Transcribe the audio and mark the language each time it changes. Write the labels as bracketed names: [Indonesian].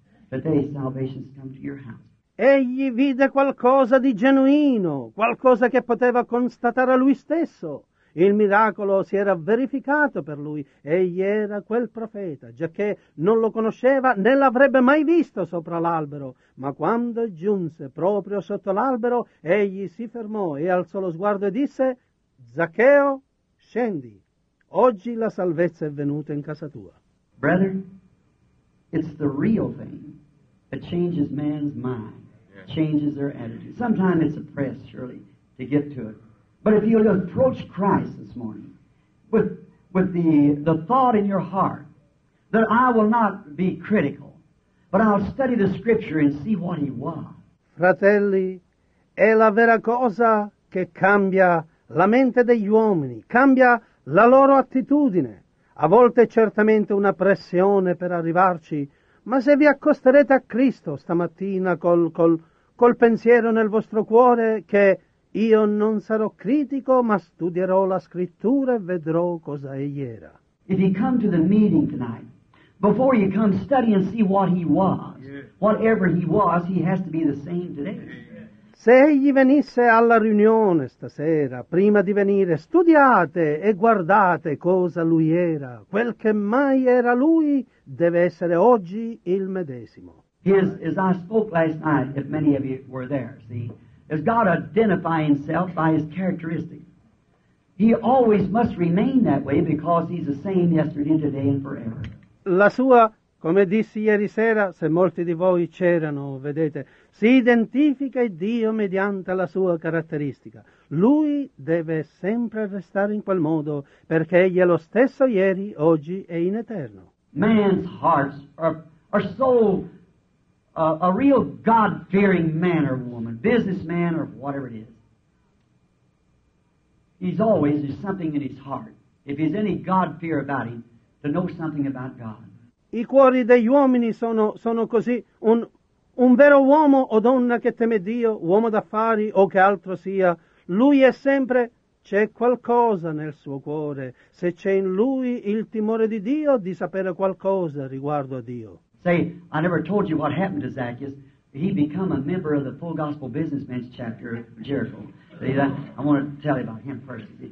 [English] Today salvation's come to your house. [Italian] Egli vide qualcosa di genuino, qualcosa che poteva constatare a lui stesso. Il miracolo si era verificato per lui. Egli era quel profeta, giacché non lo conosceva né l'avrebbe mai visto sopra l'albero. Ma quando giunse proprio sotto l'albero, egli si fermò e alzò lo sguardo e disse, Zaccheo, scendi. Oggi la salvezza è venuta in casa tua. [English] Brethren, it's the real thing that changes man's mind, changes their attitude. Sometimes it's a press, surely, to get to it. But if you approach Christ this morning with the thought in your heart that I will not be critical, But I'll study the scripture and see what he was. [Italian] Fratelli, è la vera cosa che cambia la mente degli uomini, cambia la loro attitudine. A volte è certamente una pressione per arrivarci, ma se vi accosterete a Cristo stamattina col pensiero nel vostro cuore che io non sarò critico, ma studierò la scrittura e vedrò cosa egli era. [English] If you come to the meeting tonight, before you come, study and see what he was. Whatever he was, he has to be the same today. [Italian] Se egli venisse alla riunione stasera, prima di venire, studiate e guardate cosa lui era. Quel che mai era lui deve essere oggi il medesimo. [English] As I spoke last night, if many of you were there, see, as God identify himself by his characteristics, he always must remain that way because he's the same yesterday, today and forever. [Italian] La sua, come dissi ieri sera, se molti di voi c'erano, vedete, si identifica il Dio mediante la sua caratteristica. Lui deve sempre restare in quel modo, perché egli è lo stesso ieri, oggi e in eterno. [English] Man's hearts are so a real God-fearing man or woman, businessman or whatever it is. He's always, there's something in his heart. If there's any God-fear about him, to know something about God. [Italian] I cuori degli uomini sono così. Un vero uomo o donna che teme Dio, uomo d'affari o che altro sia, lui è sempre, c'è qualcosa nel suo cuore. Se c'è in lui il timore di Dio, di sapere qualcosa riguardo a Dio. [English] Say, I never told you what happened to Zacchaeus. He became a member of the Full Gospel Businessmen's Chapter of Jericho. I want to tell you about him first.